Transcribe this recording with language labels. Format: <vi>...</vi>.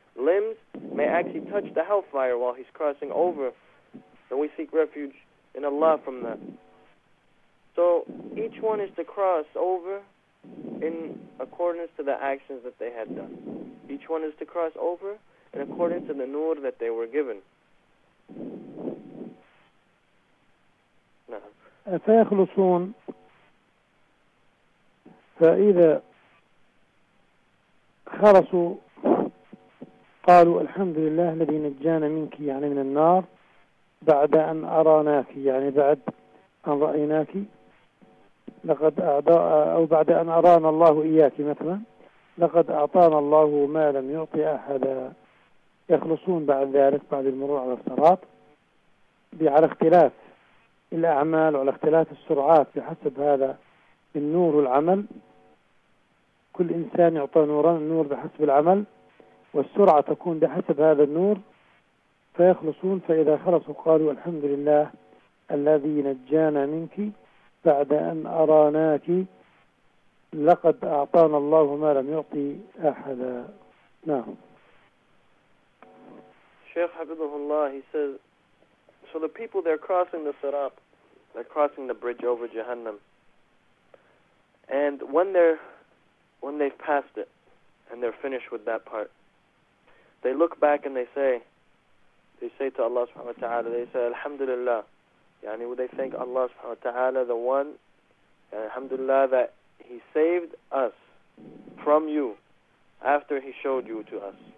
<en>limbs may actually touch the hellfire while he's crossing over, and we seek refuge in Allah from that. So each one is to cross over in accordance to the actions that they had done. Each one is to cross over in accordance to the nur that they were given.</en> <ar>فيخلصون فإذا خلصوا قالوا الحمد لله الذي نجانا منك يعني من النار بعد أن أريناك يعني بعد أن رأيناك لقد أعطى أو بعد أن أرانا الله إياك مثلا لقد أعطانا الله ما لم يعطي أحدا. يخلصون بعد ذلك بعد المرور على الصراط على اختلاف الأعمال وعلى اختلاف السرعات بحسب هذا النور والعمل. كل إنسان يعطى نوران النور بحسب العمل والسرعة تكون بحسب هذا النور. فيخلصون فإذا خلصوا قالوا الحمد لله الذي نجانا منك بعد أن أريناك لقد أعطانا الله ما لم يعطي أحدا. نعم.</ar> <en>Shaykh حفظه الله, he says, so the people, they're crossing the Sirat, they're crossing the bridge over Jahannam, and when they've passed it and they're finished with that part, they look back and they say to Allah subhanahu wa ta'ala, they say Alhamdulillah, yani they thank Allah subhanahu wa ta'ala, the one, Alhamdulillah, that he saved us from you after he showed you to us.</en>